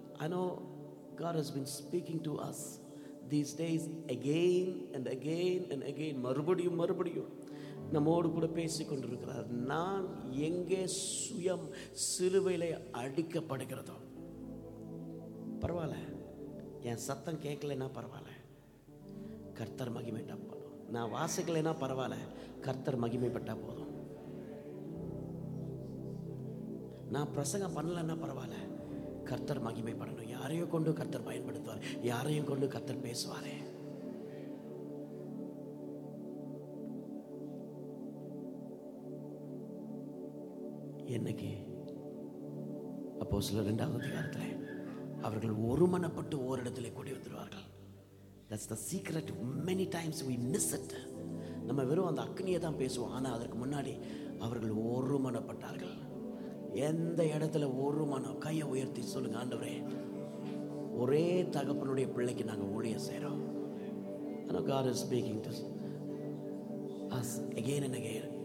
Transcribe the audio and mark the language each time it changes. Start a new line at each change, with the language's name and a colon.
English: I know God has been speaking to us these days again and again and again.
Tamil: Marubadiyum நம்மோடு கூட பேசிக்கொண்டிருக்கிறார். நான் எங்கே சுயம் சிலுவையில் அடிக்கப்படுகிறதோ பரவாயில்ல, என் சத்தம் கேட்கலைன்னா பரவாயில்ல, கர்த்தர் மகிமைப்பட்டால் போதும். நான் வாசிக்கலைன்னா பரவாயில்ல, கர்த்தர் மகிமைப்பட்டால் போதும். நான் பிரசங்கம் பண்ணலைன்னா பரவாயில்ல, கர்த்தர் மகிமைப்படணும். யாரையும் கொண்டு கர்த்தர் பயன்படுத்துவார், யாரையும் கொண்டு கர்த்தர் பேசுவாரே. என்னைக்கு அப்போ சில ரெண்டாவது அதிகாரத்தில் அவர்கள் ஒருமனப்பட்டு ஓரிடத்துல கூடி வந்துடுவார்கள்.
English: That's the secret. Many times we miss it.
Tamil: நம்ம வெறும் அந்த அக்னியை தான் பேசுவோம், ஆனால் அதற்கு முன்னாடி அவர்கள் ஒருமனப்பட்டார்கள். எந்த இடத்துல ஒருமனம், கையை உயர்த்தி சொல்லுங்க, ஆண்டவரே ஒரே தகப்பனுடைய பிள்ளைக்கு நாங்கள் ஊழிய செய்கிறோம்.
English: ஆனால் God is speaking to us again and again.